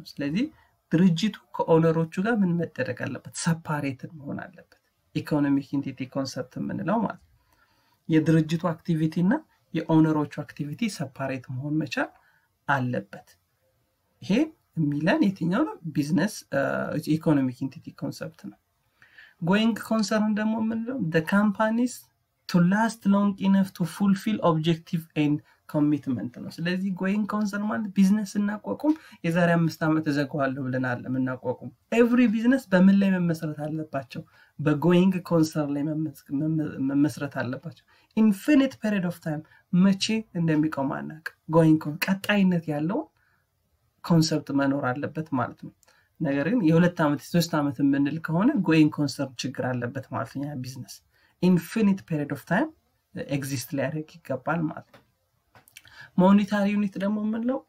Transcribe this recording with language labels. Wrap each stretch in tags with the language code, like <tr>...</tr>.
<am>ስለዚህ ድርጅቱ ከኦነሮቹ ጋር ምን መደረግ አለበት? separate መሆን አለበት። economic entity concept ምንለው ማለት የድርጅቱ activity እና የኦነሮቹ activity separate መሆን መቻል አለበት። ይሄ የሚለን የትኛው ነው? business economic entity concept ነው። going concern ደግሞ ምንለው?</am> <en>the companies to last long enough to fulfill objective and commitment.</en> <am>ስለዚህ going concern ማለት business እናቋቁም የዛሬ 5 አመት ተዘጋዋለሁ ብለናል እናቋቁም። every business በምን ላይ መመስረት አለባቸው? በ going concern ላይ መመስረት አለባቸው። infinite period of time መቼ እንደሚቆም አናቅ። going concern ቀጣይነት ያለው concept መኖር አለበት ማለት ነው። ነገር ግን የሁለት አመት የሶስት አመት ምንል ከሆነ going concern ችግር አለበት ማለት ነው። ያ business infinite period of time exist ሊያደርግ ይገባል ማለት ነው። ሞኔታሪ ዩኒት ደግሞ ምንለው?</am>